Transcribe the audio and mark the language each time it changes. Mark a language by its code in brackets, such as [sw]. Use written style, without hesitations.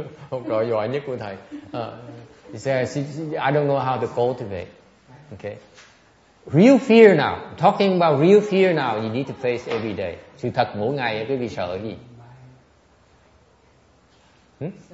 [vi] Học trò giỏi nhất của thầy. [en] She says I don't know how to cultivate. Okay. Real fear now. Talking about real fear now you need to face every day. [vi] Sự thật mỗi ngày quý vị sợ gì?